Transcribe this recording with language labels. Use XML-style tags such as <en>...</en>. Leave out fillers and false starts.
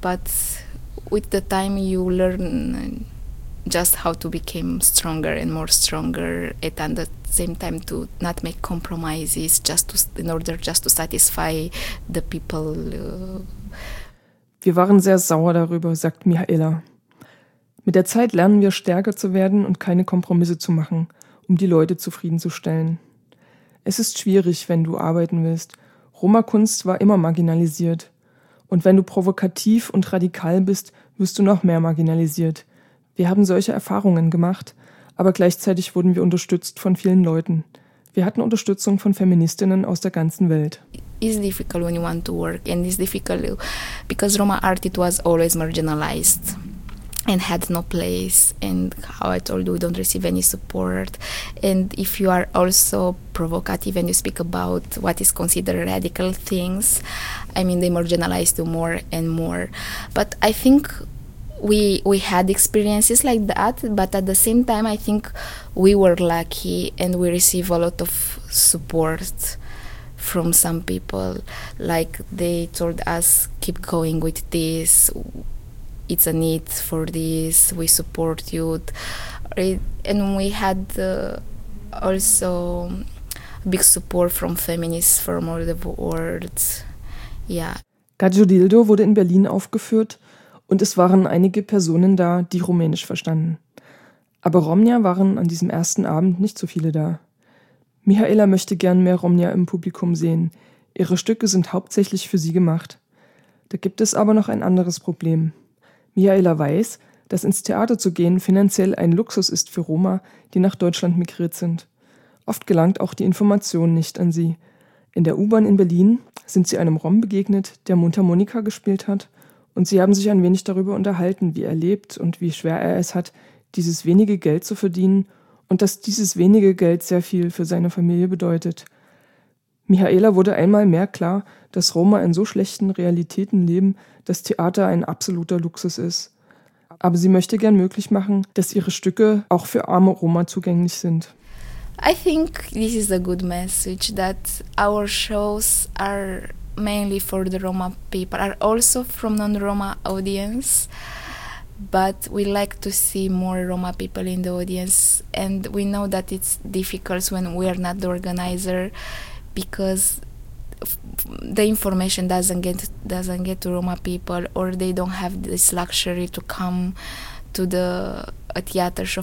<en>But with the time you learn just how to become stronger and more stronger, and at the same time to not make compromises in order to satisfy the people.</en> <de>Wir waren sehr sauer darüber, sagt Mihaela. Mit der Zeit lernen wir stärker zu werden und keine Kompromisse zu machen, um die Leute zufriedenzustellen. Es ist schwierig, wenn du arbeiten willst. Roma-Kunst war immer marginalisiert. Und wenn du provokativ und radikal bist, wirst du noch mehr marginalisiert. Wir haben solche Erfahrungen gemacht, aber gleichzeitig wurden wir unterstützt von vielen Leuten. Wir hatten Unterstützung von Feministinnen aus der ganzen Welt.</de> <en>It's difficult when you want to work, and it's difficult because Roma art, it was always marginalized and had no place, and how I told you, we don't receive any support. And if you are also provocative and you speak about what is considered radical things, I mean, they marginalize you more and more. But I think we had experiences like that, but at the same time, I think we were lucky and we receive a lot of support from some people, like they told us, keep going with this, it's a need for this, we support you. And we had also big support from feminists from all the world. Yeah.</en> <de>Gadjo Dildo wurde in Berlin aufgeführt und es waren einige Personen da, die Rumänisch verstanden. Aber Romnia waren an diesem ersten Abend nicht so viele da. Mihaela möchte gern mehr Romnia im Publikum sehen. Ihre Stücke sind hauptsächlich für sie gemacht. Da gibt es aber noch ein anderes Problem. Mihaela weiß, dass ins Theater zu gehen finanziell ein Luxus ist für Roma, die nach Deutschland migriert sind. Oft gelangt auch die Information nicht an sie. In der U-Bahn in Berlin sind sie einem Rom begegnet, der Mundharmonika gespielt hat, und sie haben sich ein wenig darüber unterhalten, wie er lebt und wie schwer er es hat, dieses wenige Geld zu verdienen und dass dieses wenige Geld sehr viel für seine Familie bedeutet. Mihaela wurde einmal mehr klar, dass Roma in so schlechten Realitäten leben, dass Theater ein absoluter Luxus ist. Aber sie möchte gern möglich machen, dass ihre Stücke auch für arme Roma zugänglich sind.</de> <en>I think this is a good message, that our shows are mainly for the Roma people, are also from non-Roma audience, but we like to see more Roma people in the audience, and we know that it's difficult when we are not the organizer, because the information doesn't get to Roma people, or they don't have this luxury to come to a theater show.</en>